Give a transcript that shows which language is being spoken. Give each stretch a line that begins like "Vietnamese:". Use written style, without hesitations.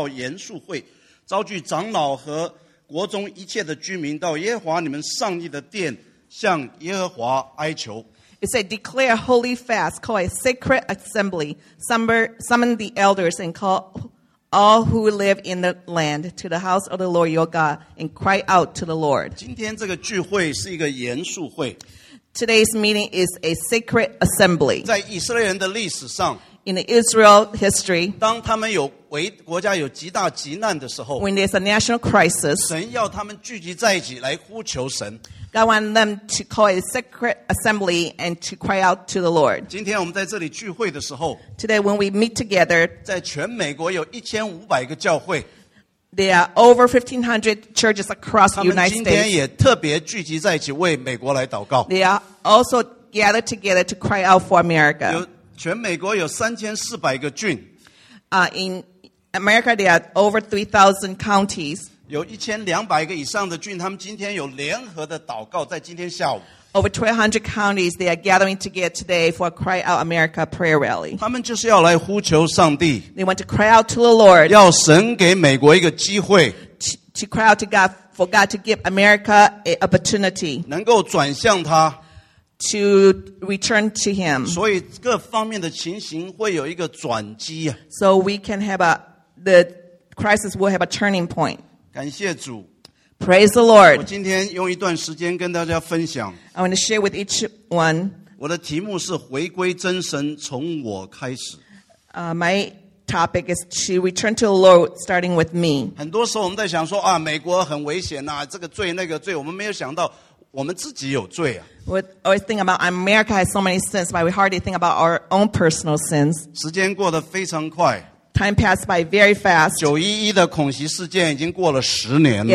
Chinese: 他这边说要分定禁食的日子，宣告严肃会，召聚长老和 国中一切的居民到耶和华你们上帝的殿，向耶和华哀求。It
English: said, declare holy fast, call a sacred assembly, summon the elders and call all who live in the land to the house of the Lord your God and cry out to the Lord.
Chinese: 今天这个聚会是一个严肃会。Today's
English: meeting is a sacred assembly.
Chinese: 在以色列人的历史上,
English: in the Israel history,
Chinese: 当他们有国家有极大急难的时候,
English: when there's a national crisis,
Chinese: 神要他们聚集在一起来呼求神,
English: God wants them to call a sacred assembly and to cry out to the Lord.
Chinese: 今天我们在这里聚会的时候,
English: today when we meet together,
Chinese: 在全美国有1500个教会,
English: there are over 1500 churches across the United States.
Chinese: 他们今天也特别聚集在一起为美国来祷告。
English: They are also gathered together to cry out for America.
Chinese: 全美国有3400个郡,
English: In America, there are over 3,000 counties.
Chinese: 有1200个以上的郡, 他们今天有联合的祷告在今天下午。
English: Over 1,200 counties, they are gathering together today for a Cry Out America prayer rally.
Chinese: 他们就是要来呼求上帝。
English: They want to cry out to the Lord.
Chinese: 要神给美国一个机会。
English: To cry out to God, for God to give America an opportunity.
Chinese: 能够转向他。
English: To return to him. So we can have a, the crisis will have a turning point.
Chinese: 感谢主,
English: praise the Lord. I want to share with each one.
Chinese: 我的题目是回归真神,
English: my topic is to return to the Lord starting with me.
Chinese: 很多时候我们在想说, 啊, 美国很危险啊, 这个罪, 那个罪, 我们没有想到, 我们自己有罪啊。
English: We always think about America has so many sins, but we hardly think about our own personal sins.
Chinese: 时间过得非常快。
English: Time passed by very fast.
Chinese: 911的恐袭事件已经过了10年了。